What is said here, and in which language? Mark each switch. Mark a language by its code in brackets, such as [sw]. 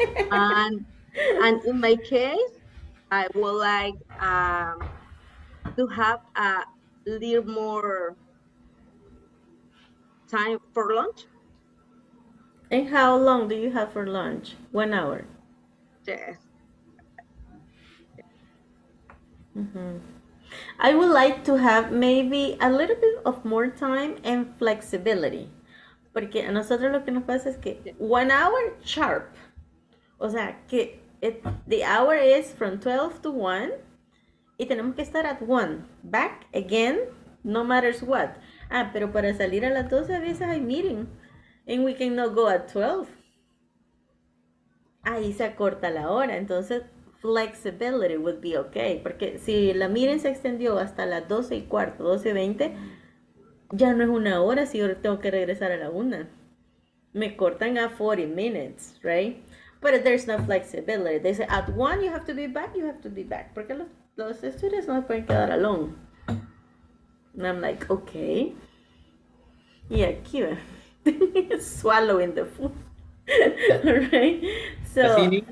[en] And in my case, I would like to have a little more time for lunch. And how long do you have for lunch? 1 hour. Yes. I would like to have maybe a little bit of more time and flexibility. [es] Porque a nosotros lo que nos pasa es que [en] 1 hour sharp. O sea, que the hour is from 12 to 1. [es] Y tenemos que estar [en] at 1, back, again, no matters what. [es] Ah, pero para salir a las 12 a veces hay meeting. [en] And we cannot go at 12. [es] Ahí se acorta la hora. Entonces, [en] flexibility would be okay. [es] Porque si la meeting se extendió hasta las 12 y cuarto, 12 y 20, ya no es una hora si yo tengo que regresar a la 1. Me cortan a [en] 40 minutes, right? But there's no flexibility. They say at 1 you have to be back, you have to be back. [es] Porque los estudiantes no pueden quedar [en] alone. And I'm like, okay. Yeah, cute. Swallowing the food. All right. So.